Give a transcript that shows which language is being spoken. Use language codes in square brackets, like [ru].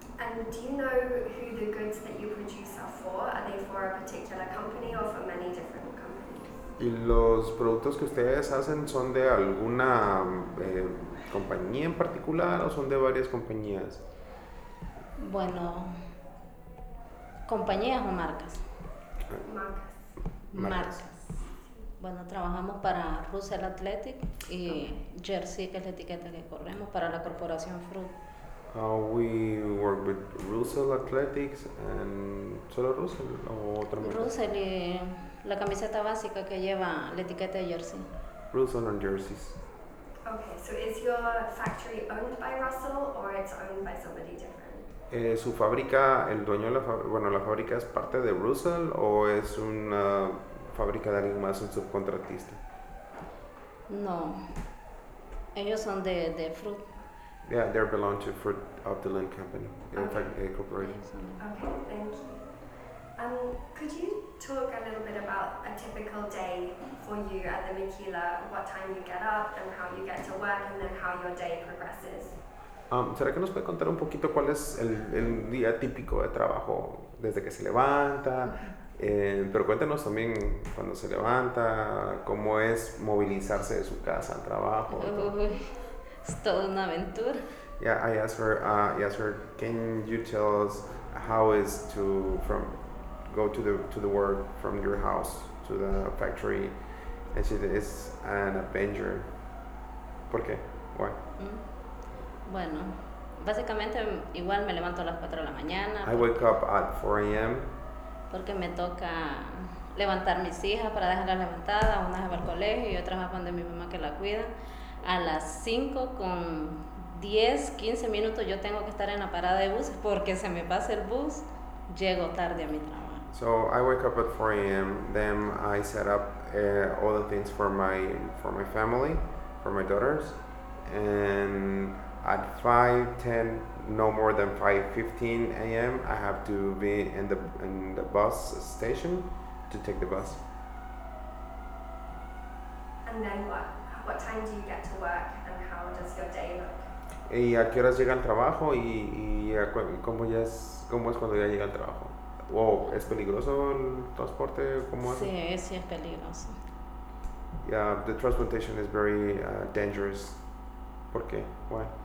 [en] Do you know who the goods that you produce are for? Are they for a particular company or for many different companies? [es] ¿Y los productos que ustedes hacen son de alguna compañía en particular o son de varias compañías? Bueno, compañías o marcas. Marcas. Bueno, trabajamos para Russell Athletic y okay. Jersey, que es la etiqueta que corremos, para la corporación Fruit. [en] We work with Russell Athletics and [es] solo Russell o otra marca. Russell y la camiseta básica que lleva la etiqueta de Jersey. [en] Russell and jerseys. Okay, so is your factory owned by Russell or it's owned by somebody different? [es] Su fábrica, el dueño de la fábrica, bueno, la fábrica es parte de Russell o es una fábrica de alguien más, un subcontratista. [en] Okay. [es] Ellos son de fruit. [en] Yeah, they belong to Fruit of the Loom Company. In fact, okay. A corporation. Okay, thank you. Could you talk a little bit about a typical day for you at the Maquila? What time you get up and how you get to work and then how your day progresses? [es] ¿Será que nos puede contar un poquito cuál es el día típico de trabajo? Desde que se levanta, pero cuéntenos también cuando se levanta, cómo es movilizarse de su casa al trabajo. Es toda una aventura. [en] Yeah, I asked her, can you tell us how is to from go to the work from your house to the factory? And she said, it's an adventure. [es] ¿Por qué? [en] Why? [es] Bueno, básicamente igual me levanto a las 4 de la mañana. [en] I wake up at 4 a.m. [es] Porque me toca levantar mis hijas para dejarlas levantadas. Una se va al colegio y otra va donde mi mamá que la cuida. A las 5 con 10, 15 minutos yo tengo que estar en la parada de buses porque se me pasa el bus, llego tarde a mi trabajo. [en] So I wake up at 4 a.m. Then I set up all the things for my family, for my daughters. And at 5:10, no more than 5:15 a.m., I have to be in the bus station to take the bus. And then what time do you get to work and how does your day look? [es] ¿Y a qué horas llega al trabajo y cómo es cuando ya llega al trabajo? Wow, ¿es peligroso el transporte? ¿Cómo es? Sí, es peligroso. [en] Yeah, the transportation is very dangerous. [es] ¿Por qué? [en] Why?